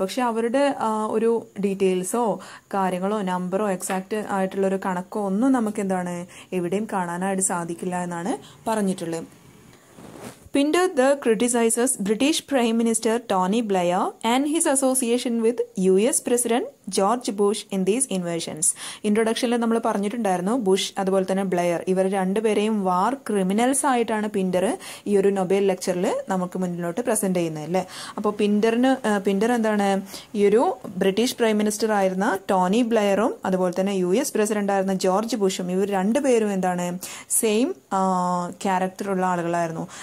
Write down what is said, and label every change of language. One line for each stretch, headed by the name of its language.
Malayalam: പക്ഷെ അവരുടെ ഒരു ഡീറ്റെയിൽസോ കാര്യങ്ങളോ നമ്പറോ എക്സാക്റ്റ് ആയിട്ടുള്ളൊരു കണക്കോ ഒന്നും നമുക്ക് എന്താണ് എവിടെയും കാണാനായിട്ട് സാധിക്കില്ല എന്നാണ് പറഞ്ഞിട്ടുള്ളത്.
English: Pinter the criticizes British Prime Minister Tony Blair and his association with US President George Bush in these invasions.
Malayalam: ഇൻട്രൊഡക്ഷനിൽ നമ്മൾ പറഞ്ഞിട്ടുണ്ടായിരുന്നു, ബുഷ് അതുപോലെ തന്നെ ബ്ലെയർ ഇവർ രണ്ടുപേരെയും വാർ ക്രിമിനൽസ് ആയിട്ടാണ് പിന്റർ ഈ ഒരു നൊബേൽ ലെക്ചറിൽ നമുക്ക് മുന്നിലോട്ട് പ്രസന്റ് ചെയ്യുന്നത് അല്ലേ. അപ്പോൾ പിന്റർ എന്താണ്, ഈ ഒരു ബ്രിട്ടീഷ് പ്രൈം മിനിസ്റ്റർ ആയിരുന്ന ടോണി ബ്ലെയറും അതുപോലെ തന്നെ യു എസ് പ്രസിഡന്റായിരുന്ന ജോർജ് ബുഷും ഇവർ രണ്ടുപേരും എന്താണ് സെയിം ക്യാരക്ടറുള്ള ആളുകളായിരുന്നു.